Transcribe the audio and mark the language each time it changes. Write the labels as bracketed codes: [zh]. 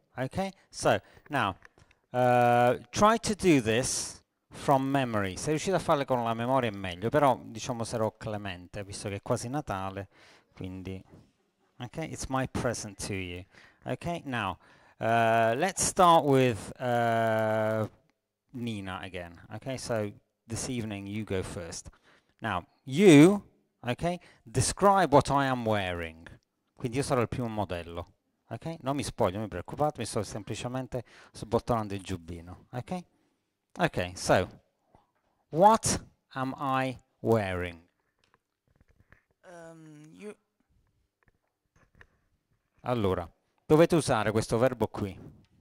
[en] Okay, so now try to do this from memory. [it] Sei riuscito a farle con la memoria è meglio, però diciamo sarò clemente visto che è quasi Natale, quindi. [en] Okay, it's my present to you. Okay, now let's start with Nina again. Okay, so this evening you go first. Now, you, okay, describe what I am wearing. [it] Quindi io sarò il primo modello, ok? Non mi spoglio, non mi preoccupate, mi sto semplicemente sbottonando il giubbino, ok? [en] Ok, so, what am I wearing? [it] Allora, dovete usare questo verbo qui.